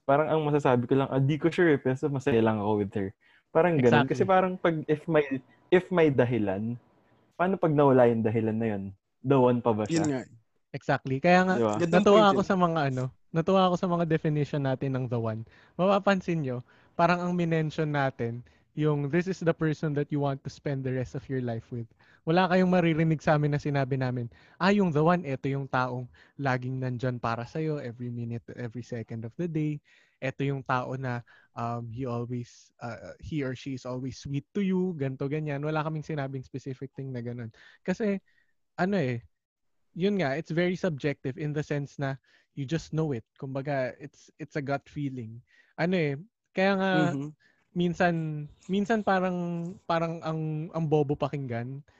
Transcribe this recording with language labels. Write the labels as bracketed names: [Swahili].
[Filipino] Parang ang masasabi ko lang, di ko sure, pero masaya lang ako [English] with her. [Filipino] Parang ganun. Exactly. Kasi parang pag if may dahilan, paano pag nawala yung dahilan na yun? The one pa ba siya? Exactly. Kaya nga, diba? natuwa ako sa mga definition natin ng the one. Mapapansin nyo, parang ang minention natin, yung [English] this is the person that you want to spend the rest of your life with. [Filipino] Wala kayong maririnig sa amin na sinabi namin, yung the one, ito yung taong laging nandyan para sa'yo [English] every minute, every second of the day. [Filipino] Ito yung tao na [English] he or she is always sweet to you, [Filipino] ganto ganyan. Wala kaming sinabing [English] specific thing [Filipino] na ganun. Kasi, ano eh, yun nga, [English] it's very subjective in the sense [Filipino] na [English] you just know it. [Filipino] Kumbaga, [English] it's a gut feeling. [Filipino] Ano eh, kaya nga, minsan parang ang bobo pakinggan.